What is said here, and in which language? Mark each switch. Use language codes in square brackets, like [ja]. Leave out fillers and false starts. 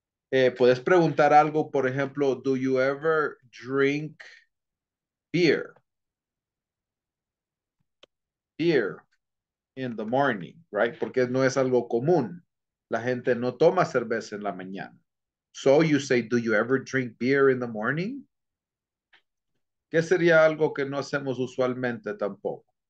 [es] Puedes preguntar algo, por ejemplo, [en] do you ever drink beer? Beer in the morning, right? [es] Porque no es algo común. La gente no toma cerveza en la mañana. [en] So, you say, do you ever drink beer in the morning? [es] ¿Qué sería algo que no hacemos usualmente tampoco?